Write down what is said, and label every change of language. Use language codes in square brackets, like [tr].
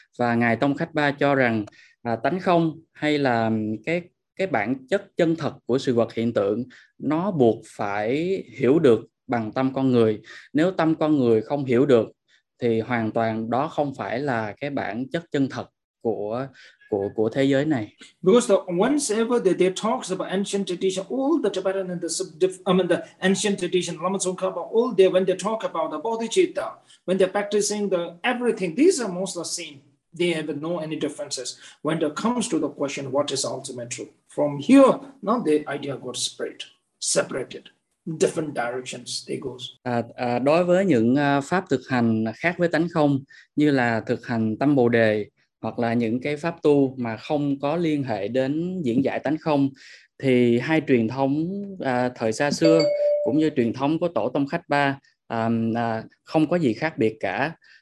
[vi] Và Ngài Tông Khách Ba cho rằng tánh không hay là cái bản chất chân thật của sự vật hiện tượng, nó buộc phải hiểu được bằng tâm con người. Nếu tâm con người không hiểu được thì hoàn toàn đó không phải là cái bản chất chân thật của thế giới này. [en] Because the, once ever they talk about ancient tradition, all the Tibetan and the the ancient tradition, Lama Tsongkhapa, all they, when they talk about the bodhicitta, when they're practicing the everything, these are mostly the same. They have no any differences. When it comes to the question, what is ultimate truth? From here, now the idea got spread, separated. Different directions they go. [vi] Đối với những pháp thực hành khác với tánh không, như là thực hành tâm bồ đề, hoặc là những cái pháp tu mà không có liên hệ đến diễn giải tánh không, thì hai truyền thống thời xa xưa cũng như truyền thống của tổ Tông Khách Ba không có gì khác biệt cả.